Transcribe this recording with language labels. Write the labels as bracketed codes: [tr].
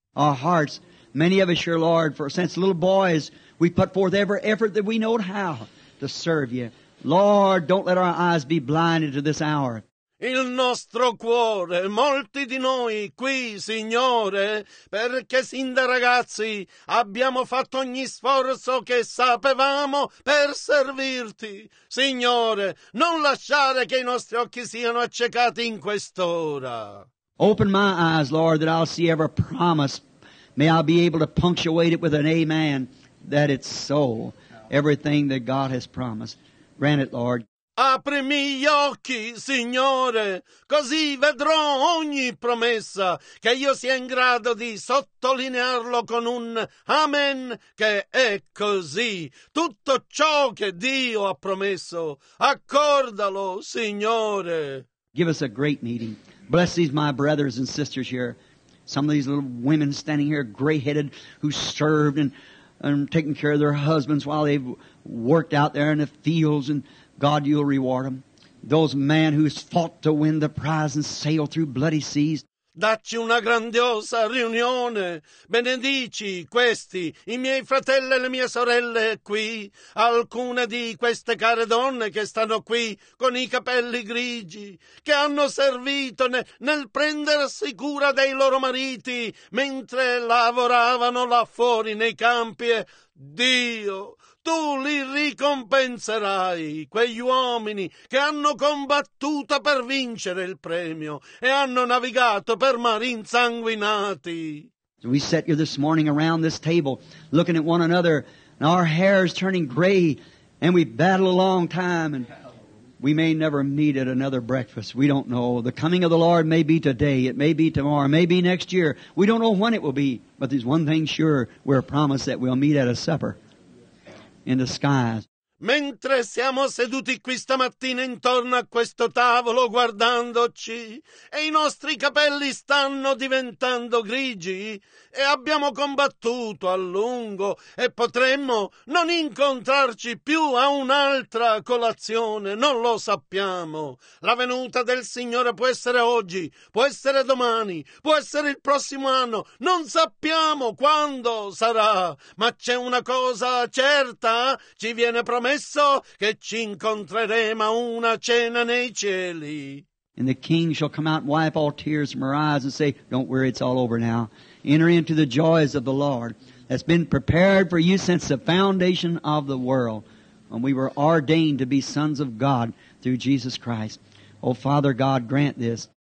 [en] Our hearts, many of us here, Lord, for since little boys, we put forth every effort that we know how to serve you. Lord, don't let our eyes be blinded to this hour. [it] Il nostro cuore, molti di noi qui, Signore, perché sin da ragazzi abbiamo fatto ogni sforzo che sapevamo per servirti. Signore, non lasciare che i nostri occhi siano accecati in quest'ora. [en] Open my eyes, Lord, that I'll see every promise. May I be able to punctuate it with an amen that it's so. Everything that God has promised. Grant it, Lord. [it] Apri I miei occhi, Signore, così vedrò ogni promessa, che io sia in grado di sottolinearlo con un amen, che è così. Tutto ciò che Dio ha promesso, accordalo, Signore. [en] Give us a great meeting. Bless these my brothers and sisters here. Some of these little women standing here, gray-headed, who served and taken care of their husbands while they've worked out there in the fields. And God, you'll reward them. Those men who's fought to win the prize and sail through bloody seas. [it] Dacci una grandiosa riunione, benedici questi, i miei fratelli e le mie sorelle qui, alcune di queste care donne che stanno qui con i capelli grigi, che hanno servito nel prendersi cura dei loro mariti mentre lavoravano là fuori nei campi. E Dio, tu li ricompenserai, quegli uomini che hanno combattuto per vincere il premio e hanno navigato per mari insanguinati. [en] So we sat here this morning around this table looking at one another, and our hair is turning gray, and we battle a long time, and we may never meet at another breakfast. We don't know. The coming of the Lord may be today. It may be tomorrow. It may be next year. We don't know when it will be, but there's one thing sure. We're promised that we'll meet at a supper in the skies. [it] Mentre siamo seduti qui stamattina intorno a questo tavolo guardandoci e i nostri capelli stanno diventando grigi e abbiamo combattuto a lungo e potremmo non incontrarci più a un'altra colazione, non lo sappiamo. La venuta del Signore può essere oggi, può essere domani, può essere il prossimo anno, non sappiamo quando sarà, ma c'è una cosa certa, ci viene promessa. Che ci incontreremo a una cena nei cieli. [en] And the king shall come out and wipe all tears from her eyes and say, don't worry, it's all over now. Enter into the joys of the Lord that's been prepared for you since the foundation of the world, when we were ordained to be sons of God through Jesus Christ. Oh, Father God, grant this.